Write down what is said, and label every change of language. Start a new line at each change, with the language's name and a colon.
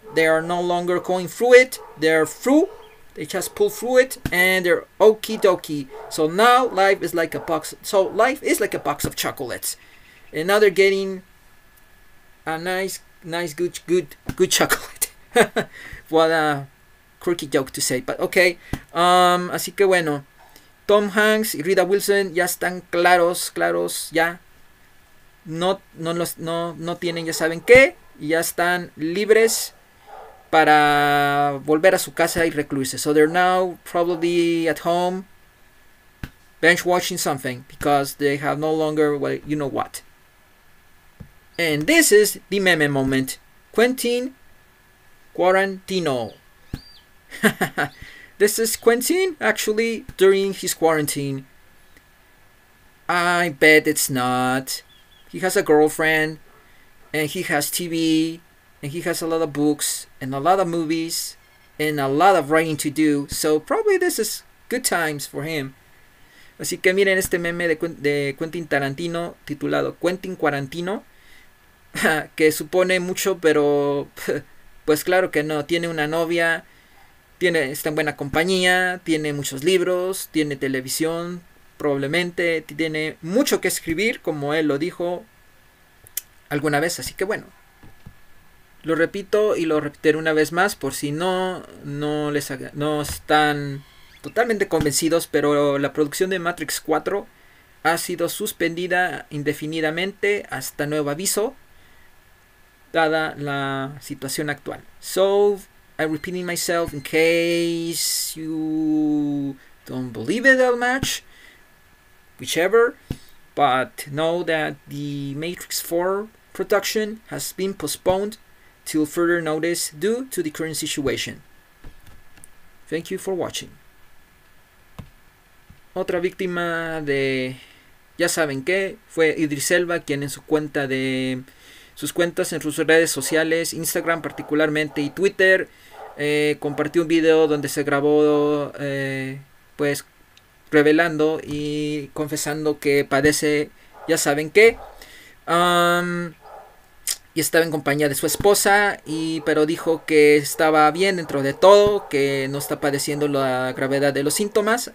English: They are no longer going through it. They're through. They just pull through it, and they're okie dokie. So now life is like a box. So life is like a box of chocolates, and now they're getting a nice, good chocolate. What a quirky joke to say, but okay.
Spanish: Así que bueno, Tom Hanks y Rita Wilson ya están claros, ya. No tienen, ya saben qué, y ya están libres para volver a su casa y recluirse.
English: So they're now probably at home, bench watching something, because they have no longer, well, you know what. And this is the meme moment. Quentin Quarantino. This is Quentin, actually, during his quarantine. I bet it's not. He has a girlfriend, and he has TV, and he has a lot of books, and a lot of movies, and a lot of writing to do, so probably this is good times for him.
Spanish: Así que miren este meme de Quentin Tarantino titulado Quentin Cuarantino, que supone mucho, pero pues claro que no. Tiene una novia, está en buena compañía, tiene muchos libros, tiene televisión, probablemente tiene mucho que escribir, como él lo dijo alguna vez. Así que bueno, lo repito y lo repetiré una vez más por si no están totalmente convencidos, pero la producción de Matrix 4 ha sido suspendida indefinidamente hasta nuevo aviso, dada la situación actual.
English: So, I'm repeating myself in case you don't believe it that much, whichever, but know that the Matrix 4 production has been postponed till further notice due to the current situation. Thank you for watching.
Spanish: Otra víctima de, ya saben qué, fue Idris Elba, quien en su cuenta de sus cuentas en sus redes sociales, Instagram particularmente y Twitter, compartió un video donde se grabó, pues revelando y confesando que padece, ya saben qué, y estaba en compañía de su esposa, pero dijo que estaba bien dentro de todo, que no está padeciendo la gravedad de los síntomas.